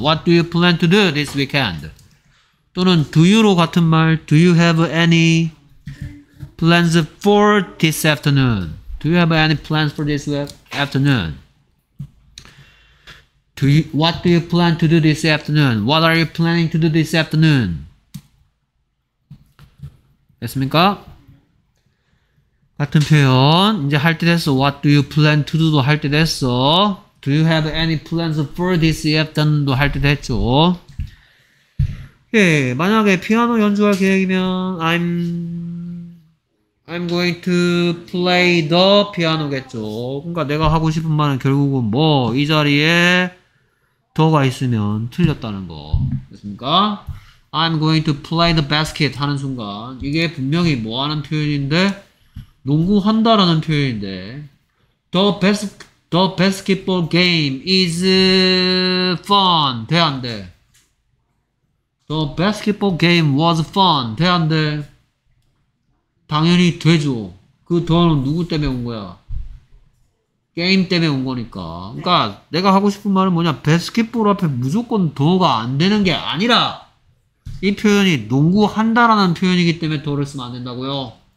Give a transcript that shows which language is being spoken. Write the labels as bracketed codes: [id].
[en] What do you plan to do this weekend? [ko] 또는 [en] do you로 [ko] 같은 말 [en] Do you have any plans for this afternoon? Do you have any plans for this afternoon? What do you plan to do this afternoon? What are you planning to do this afternoon? [ko] 됐습니까? 같은 표현 이제 할 때 됐어. [en] What do you plan to do도 [ko] 할 때 됐어. [en] Do you have any plans for this afternoon도 [ko] 할 때 됐죠. 예, 만약에 피아노 연주할 계획이면 [en] I'm going to play the piano겠죠. [ko] 그러니까 내가 하고 싶은 말은 결국은 뭐 이 자리에 더가 있으면 틀렸다는 거. 됐습니까? [en] I'm going to play the basket [ko] 하는 순간 이게 분명히 뭐 하는 표현인데 농구한다 라는 표현인데 [en] the basketball game is fun [ko] 돼 안 돼? [en] The basketball game was fun [ko] 돼 안 돼? 당연히 되죠. 그 더는 누구 때문에 온 거야? 게임 때문에 온 거니까. 그러니까 내가 하고 싶은 말은 뭐냐, basketball 앞에 무조건 더가 안 되는 게 아니라 이 표현이 농구한다라는 표현이기 때문에 더를 쓰면 안 된다고요.